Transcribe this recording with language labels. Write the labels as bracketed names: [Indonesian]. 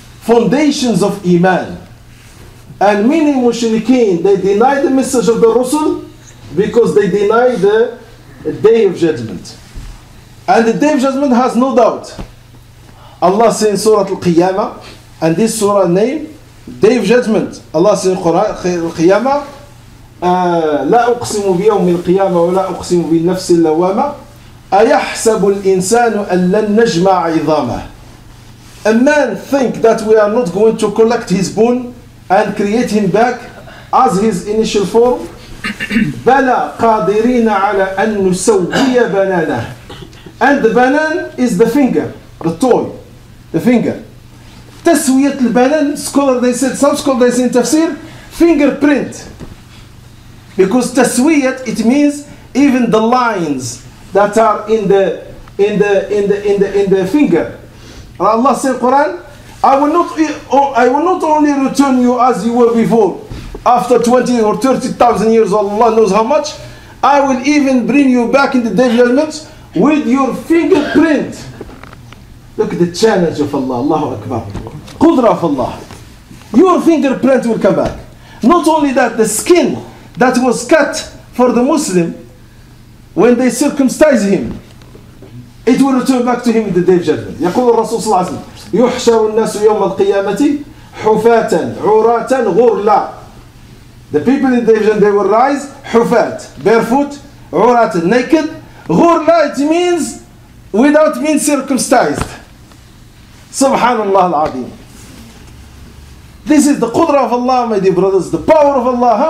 [English] foundations of Iman. And many mushrikeen, they deny the message of the Rasul because they deny the Day of Judgment. And the Day of Judgment has no doubt. Allah says in Surah Al-Qiyamah, and this surah name, Day of Judgment. Allah says in Surah Al-Qiyamah, [Arabic] لا أقسم بيوم القيامة ولا أقسم بالنفس اللوامة أيحسب الإنسان أن لن نجمع عظامه. [English] A man think that we are not going to collect his bone and create him back as his initial form. [Arabic] بلى قادرين على أن نسوي بنانه. [English] And the banan is the finger, the toy, the finger. [Arabic] تسوية البنان, [English] scholar they said, some scholar they said in tafsir, fingerprint. Because tasweet, it means even the lines that are in the finger. And Allah said in the Quran, I will not only return you as you were before, after 20 or 30,000 years, Allah knows how much, I will even bring you back in the Day of Judgment with your fingerprint. Look at the challenge of Allah, Allahu Akbar. Qudra of Allah. Your fingerprint will come back. Not only that, the skin that was cut for the Muslim when they circumcised him, it will return back to him in the Day of Judgment. [Arabic] يقول الرسول صلى الله عليه وسلم يحشر الناس يوم القيامة حفاة عراة غرلا. [English] The people in the Day of Judgment, they will rise حفاة, barefoot, عراة, naked. غرلا, it means without being circumcised. [Arabic] سبحان الله العظيم. [English] This is the Qudra of Allah, my dear brothers, the power of Allah.